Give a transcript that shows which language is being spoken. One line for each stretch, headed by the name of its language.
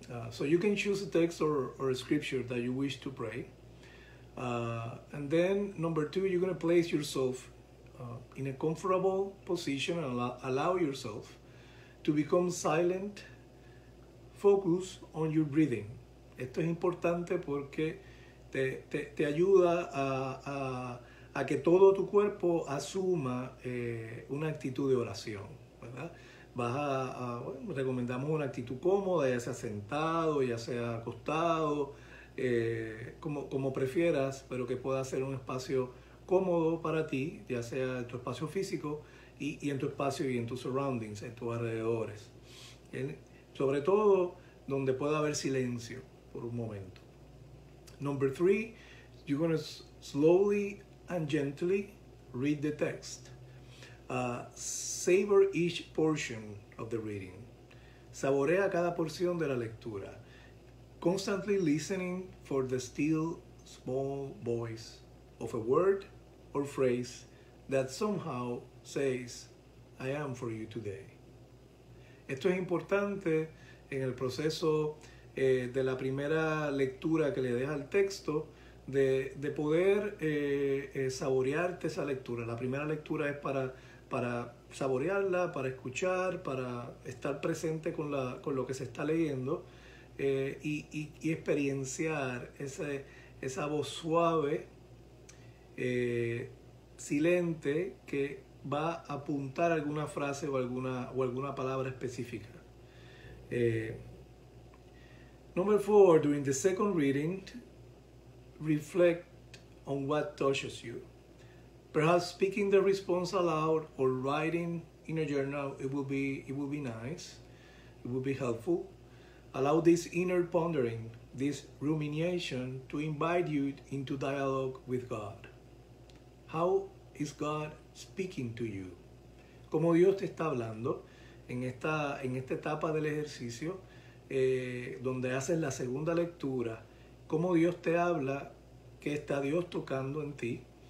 English: So you can choose a text or a scripture that you wish to pray. And then number two, you're going to place yourself in a comfortable position and allow yourself to become silent, focus on your breathing.
Spanish: Esto es importante porque te ayuda a que todo tu cuerpo asuma una actitud de oración, ¿verdad? Recomendamos una actitud cómoda, ya sea sentado, ya sea acostado, como prefieras, pero que pueda ser un espacio cómodo para ti, ya sea en tu espacio físico y en tu espacio y en tus surroundings, en tus alrededores. ¿Bien? Sobre todo donde pueda haber silencio por un momento.
English: Number three, you're going to slowly and gently read the text. Savor each portion of the reading.
Spanish: Saborea cada porción de la lectura.
English: Constantly listening for the still small voice of a word or phrase that somehow says, I am for you today.
Spanish: Esto es importante en el proceso de la primera lectura que le deja al texto, de poder saborearte esa lectura. La primera lectura es para saborearla, para escuchar, para estar presente con lo que se está leyendo y experienciar esa voz suave, silente, va a apuntar alguna frase o alguna palabra específica.
English: Number four, during the second reading, reflect on what touches you. Perhaps speaking the response aloud or writing in a journal, it will be nice. It will be helpful. Allow this inner pondering, this rumination, to invite you into dialogue with God. How is God speaking to you?
Spanish: ¿Cómo Dios te está hablando en esta etapa del ejercicio, donde haces la segunda lectura? ¿Cómo Dios te habla? ¿Qué está Dios tocando en ti?